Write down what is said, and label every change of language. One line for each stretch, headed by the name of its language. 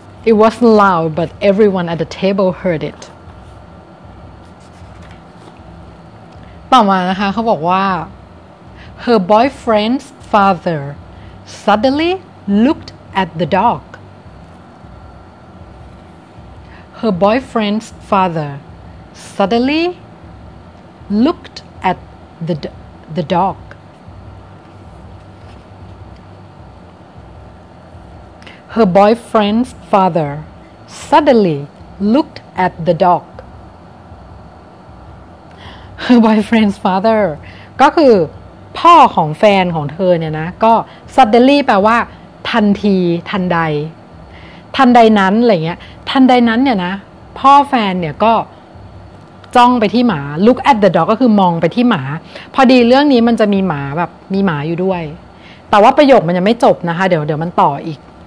English: It wasn't loud but everyone at the table heard it
Thai: ต่อมานะคะเขาบอกว่า
English: Her boyfriend's father suddenly looked at the dogHer boyfriend's father suddenly looked at the dog. Her boyfriend's father suddenly looked at the dog. Her boyfriend's father
Thai: ก็คือพ่อของแฟนของเธอเนี่ยนะก็
English: suddenly
Thai: แปลว่าทันทีทันใดทันใดนั้นอะไรเงี้ยทันใดนั้นเนี่ยนะพ่อแฟนเนี่ยก็จ้องไปที่หมา
English: look at the dog
Thai: ก็คือมองไปที่หมาพอดีเรื่องนี้มันจะมีหมาแบบมีหมาอยู่ด้วยแต่ว่าประโยคมันยังไม่จบนะคะเดี๋ยวมันต่ออีก